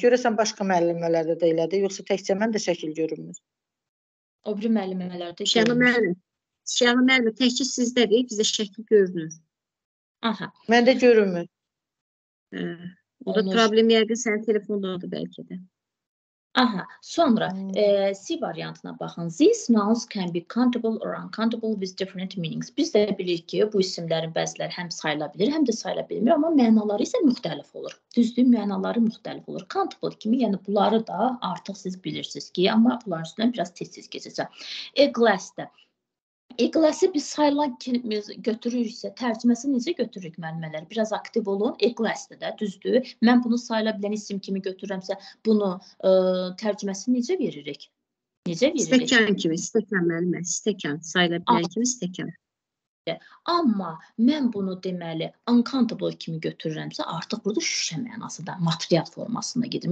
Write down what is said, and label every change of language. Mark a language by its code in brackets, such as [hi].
[az] Görəsən, başqa müəllimələrdə də elədi, yoxsa təkcə mən də şəkil görünmür. O biri müəllimələrdə görünmür. Şəhəli müəllim, təkcə sizdə deyib, bizə şəkil görünür. Aha. Mən də görünmür. O da problem yəqin sənin telefonundadır bəlkə də. Aha, sonra C variantına baxın. [en] These nouns can be countable or uncountable with different meanings. [az] Biz də bilirik ki, bu isimlərin bəziləri həm sayıla bilir, həm də sayıla bilmir, amma mənaları isə müxtəlif olur. Düzdür, mənaları müxtəlif olur. Countable kimi, yəni bunları da artıq siz bilirsiniz ki, amma bunların üstündən biraz tez-tez keçəcəm. A glass də. A glass-ı biz sayılan kimi götürürüksə, tərcüməsi necə götürürük müəllimələr? Biraz aktiv olun, a glass-ı da düzdür. Mən bunu sayıla bilən isim kimi götürürəmsə, bunu tərcüməsi necə veririk? Necə veririk? Stəkan kimi, stəkan müəllimə, stəkan, sayıla bilən kimi stəkan. Amma mən bunu deməli uncountable kimi götürürəmsə, artıq burada şüşə mənası da material formasında gedir.